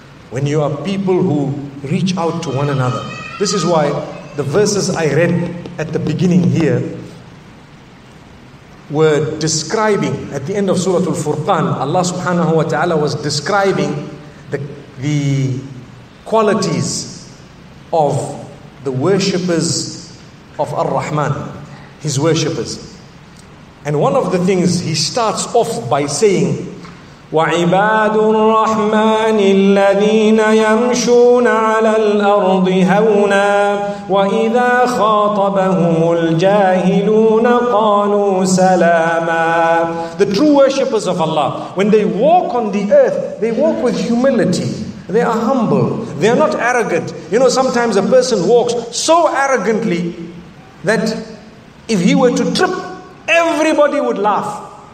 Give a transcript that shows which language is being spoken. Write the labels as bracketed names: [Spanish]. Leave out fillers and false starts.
[English] When you are people who reach out to one another. This is why the verses I read at the beginning here were describing, at the end of Surah Al-Furqan, Allah subhanahu wa ta'ala was describing the qualities of the worshippers of Ar-Rahman, His worshippers. And one of the things He starts off by saying, [Arabic] وَعِبَادُ الرَّحْمَنِ الَّذِينَ يَمْشُونَ عَلَى الْأَرْضِ هَوْنًا وَإِذَا خَاطَبَهُمُ الْجَاهِلُونَ قَالُوا سَلَامًا. [English] The true worshippers of Allah, when they walk on the earth, they walk with humility. They are humble. They are not arrogant. You know, sometimes a person walks so arrogantly that if he were to trip, everybody would laugh.